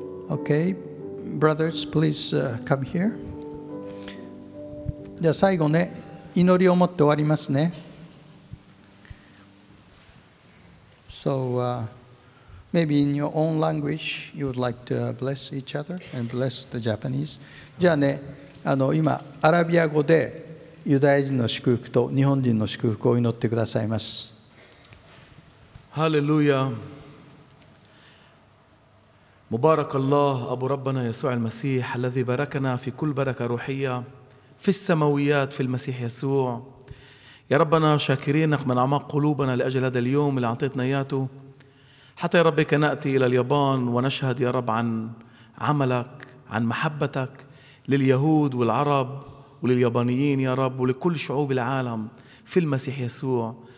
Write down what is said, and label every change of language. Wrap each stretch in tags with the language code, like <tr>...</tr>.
<en>Okay, brothers, please come here.</en> <ja>じゃあ最後ね、祈りを持って終わりますね。</ja> <en>So, maybe in your own language, you would like to bless each other and bless the Japanese.</en> <ja>じゃあね、今、アラビア語でユダヤ人の祝福と日本人の祝福を祈ってくださいます。</ja> <en>Hallelujah.</en> <ar>مبارك الله أبو ربنا يسوع المسيح الذي باركنا في كل بركة روحية في السماويات في المسيح يسوع. يا ربنا شاكرينك من أعماق قلوبنا لأجل هذا اليوم اللي أعطيتنا إياه حتى يا ربي نأتي إلى اليابان ونشهد يا رب عن عملك عن محبتك لليهود والعرب ولليابانيين يا رب ولكل شعوب العالم في المسيح يسوع.</ar>